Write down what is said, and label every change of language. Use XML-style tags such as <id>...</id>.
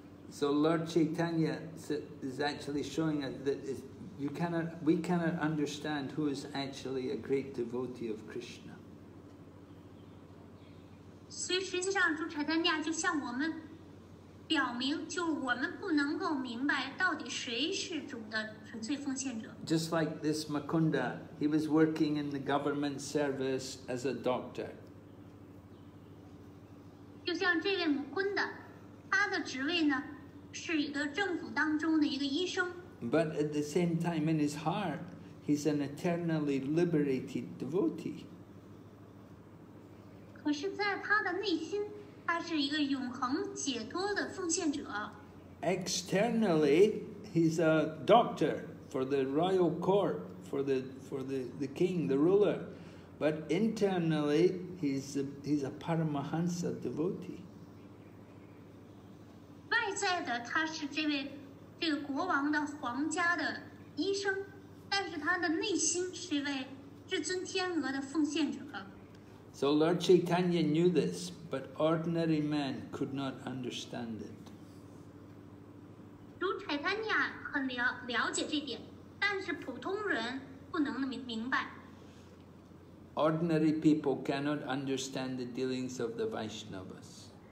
<en>So Lord Chaitanya is actually showing us that we cannot understand who is actually a great devotee of Krishna.</en> <zh>所以实际上，主柴丹尼亚就像我们。表明就我们不能够明白到底谁是主的纯粹奉献者。</zh> <en>Just like this Mukunda, he was working in the government service as a doctor.</en> <zh>就像这位 Mukunda, 他的职位呢是一个政府当中的一个医生。</zh> <en>But at the same time, in his heart, he's an eternally liberated devotee.</en> <zh>可是在他的内心他是一个永恒解脱的奉献者。</zh> <en>Externally, he's a doctor for the royal court for the king, the ruler, but internally he's a Paramahansa devotee.</en> <zh>外在的他是这位这个国王的皇家的医生，但是他的内心是一位至尊天鹅的奉献者。</zh> <en>So Lord Chaitanya knew this, but ordinary man could not understand it.</en> <zh>如柴坦尼亚很了解这点，但是普通人不能明白。</zh> <en>Ordinary people cannot understand the dealings of the Vaishnavas.</en>